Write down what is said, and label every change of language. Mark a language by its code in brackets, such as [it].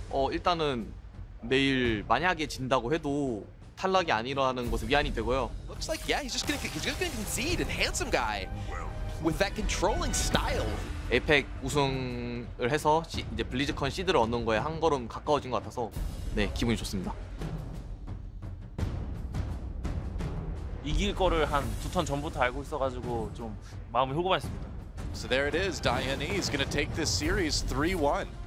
[ko] 일단은 내일 만약에 진다고 해도 탈락이 아니라는 것을 위안이 되고요. [en] Looks like yeah, he's just gonna concede, and handsomeguy with that controlling style. [ko] 에펙 우승을 해서 이제 블리즈컨 시드를 얻는 거에 한 걸음 가까워진 것 같아서 네 기분이 좋습니다. 이길 거를 한 두 턴 전부터 알고 있어가지고 좀 마음이 호구받습니다. [en] So there it is. DDaHyoNi is going to take this series 3-1.